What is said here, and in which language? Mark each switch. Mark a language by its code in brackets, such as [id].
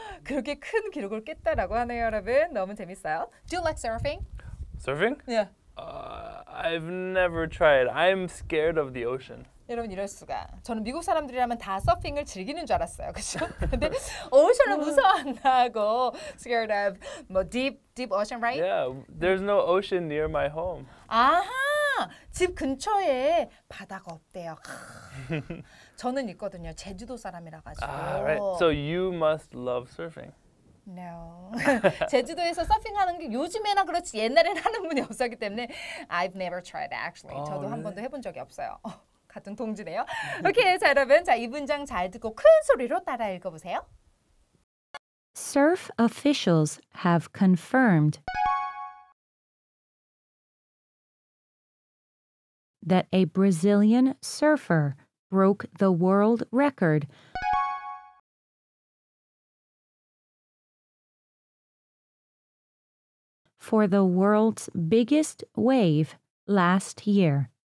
[ko] 그렇게 큰 기록을 깼다라고 하네요, 여러분. 너무 재밌어요. [en] Do you like surfing? Surfing? Yeah. I've never tried. I'm scared of the ocean. [ko] 여러분 이럴 수가. 저는 미국 사람들이라면 다 서핑을 즐기는 줄 알았어요. 그렇죠? 근데 오션을 무서워한다고. [en] Scared of 뭐 deep ocean, right? Yeah. There's no ocean near my home. [ko] 아하. 집 근처에 바다가 없대요. 저는 있거든요. 제주도 사람이라 가지고. [en] Right. So you must love surfing. No. [ko] 제주도에서 서핑하는 게 요즘에나 그렇지 옛날에는 하는 분이 없었기 때문에 [en] I've never tried actually. [ko] 저도 [en] really? [ko] 한 번도 해본 적이 없어요. 같은 동지네요. 오케이, 자 여러분, 자 이 문장 잘 듣고 큰 소리로 따라 읽어보세요. [en] Surf officials have confirmed that a Brazilian surfer broke the world record for the world's biggest wave last year.